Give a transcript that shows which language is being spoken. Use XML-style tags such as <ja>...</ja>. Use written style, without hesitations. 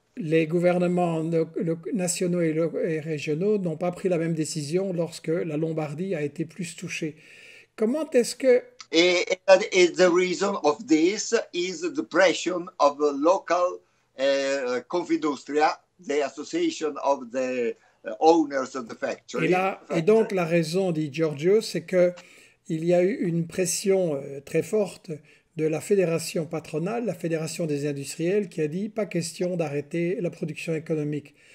<fr>Les gouvernements nationaux et régionaux n'ont pas pris la même décision lorsque la Lombardie a été plus touchée. Comment est-ce que?</fr> <en>And the reason of this is the pression of the local Confindustria, the association of the owners of the factory.</en> <fr>Et donc la raison, dit Giorgio, c'est que il y a eu une pression très forte de la fédération patronale, la fédération des industriels, qui a dit pas question d'arrêter la production économique.</fr>